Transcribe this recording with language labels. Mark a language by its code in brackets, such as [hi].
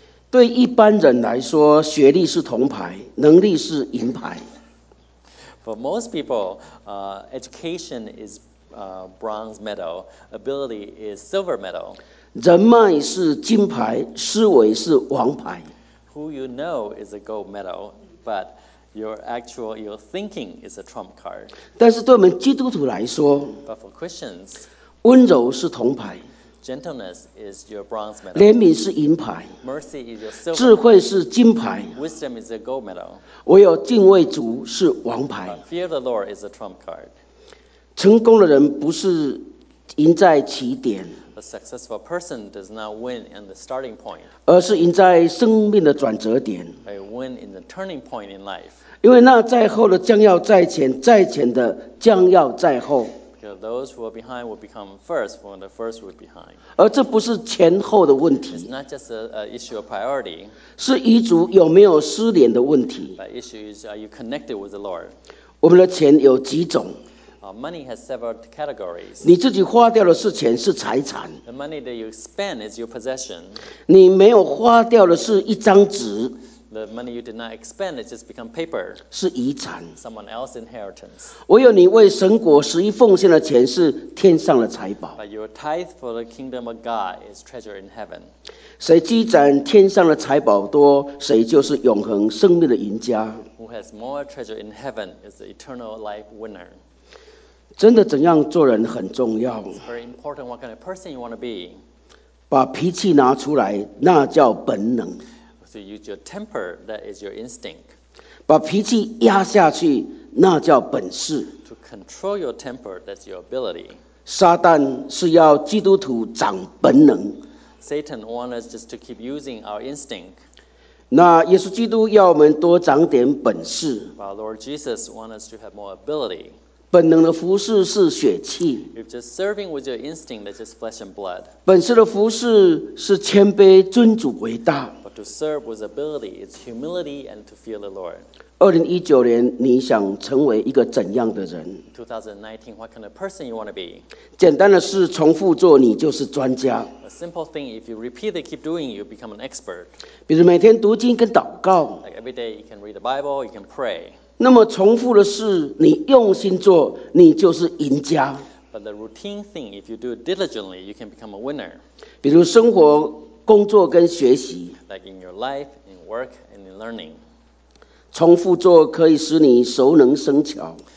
[zh] 对一般人来说，学历是铜牌，能力是银牌。 [en] For most people, education is bronze medal, ability is silver medal. [zh] 人脉是金牌，思维是王牌。 [en] Who you know is a gold medal, but your thinking is a trump card. [zh] 但是对我们基督徒来说， [en] but for Christians, [zh] 温柔是铜牌。 [en] Gentleness is your bronze medal. [zh] 怜悯是银牌。 [en] Mercy is your silver. [zh] 智慧是金牌。 [en] Wisdom is a gold medal. [zh] 唯有敬畏主是王牌。 [en] Fear the Lord is a trump card. [zh] 成功的人不是赢在起点。 [en] A successful person does not win in the starting point. [zh] 而是赢在生命的转折点。 [en] A win in the turning point in life. [zh] 因为那在后的将要在前，在前的将要在后。 [en] Those who are behind will become first when the first will be behind. [zh] 而这不是前后的问题。 [en] It's not just an issue of priority. [zh] 是遗嘱有没有失联的问题。 [en] The issue is, are you connected with the Lord? [zh] 我们的钱有几种。 [en] Money has several categories. [zh] 你自己花掉的是钱，是财产。 [en] The money that you spend is your possession. [zh] 你没有花掉的是一张纸。 [en] The money you did not expend, it just become paper. [zh] 是遗产。 [en] Someone else's inheritance. [zh] 唯有你为神国十一奉献的钱是天上的财宝。 [en] But your tithe for the kingdom of God is treasure in heaven. [zh] 谁积攒天上的财宝多，谁就是永恒生命的赢家。 [en] Who has more treasure in heaven is the eternal life winner. [zh] 真的怎样做人很重要。 [en] It's very important what kind of person you want to be. [zh] 把脾气拿出来，那叫本能。 [en] To use your temper, that is your instinct. [zh] 把脾气压下去，那叫本事。 [en] To control your temper, that's your ability. [zh] 撒旦是要基督徒长本能。 [en] Satan wants us just to keep using our instinct. [zh] 那耶稣基督要我们多长点本事。 [en] Our Lord Jesus wants us to have more ability. [zh] 本能的服事是血气。 [en] If just serving with your instinct, that's just flesh and blood. [zh] 本事的服事是谦卑尊主为大。 [en] But to serve with ability, it's humility and to fear the Lord. [zh] 2019年，你想成为一个怎样的人 [en] ？2019, what kind of person you want to be? [zh] 简单的事重复做，你就是专家。 [en] A simple thing, if you repeatedly keep doing, you become an expert. [zh] 比如每天读经跟祷告。 [en] Like every day, you can read the Bible, you can pray. [zh] 那么重复的事，你用心做，你就是赢家。 [en] But the routine thing, if you do it diligently, you can become a winner. [zh] 比如生活、工作跟学习。 [en] Like in your life, in work, and in learning. [zh] 重复做可以使你熟能生巧。